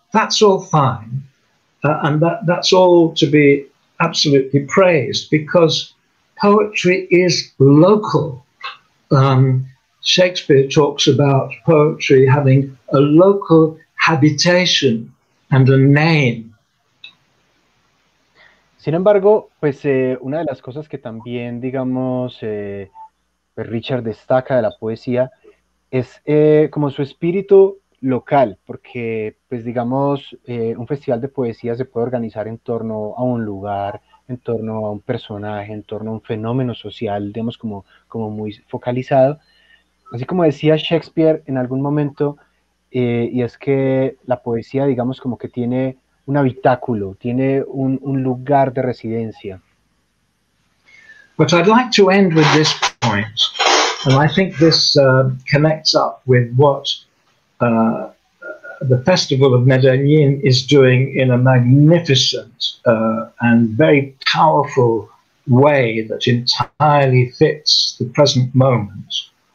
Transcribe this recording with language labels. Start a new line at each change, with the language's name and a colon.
English: That's all fine. And that's all to be absolutely praised, because poetry is local. Shakespeare talks about poetry having a local habitation and a name.
Spanish: Sin embargo, pues una de las cosas que también, digamos, Richard destaca de la poesía es como su espíritu local, porque pues digamos un festival de poesía se puede organizar en torno a un lugar, en torno a un personaje, en torno a un fenómeno social, digamos como muy focalizado, así como decía Shakespeare en algún momento, y es que la poesía digamos como que tiene un habitáculo, tiene un lugar de residencia.
English: But I'd like to end with this point, and I think this connects up with what the Festival of Medellin is doing in a magnificent and very powerful way that entirely fits the present moment.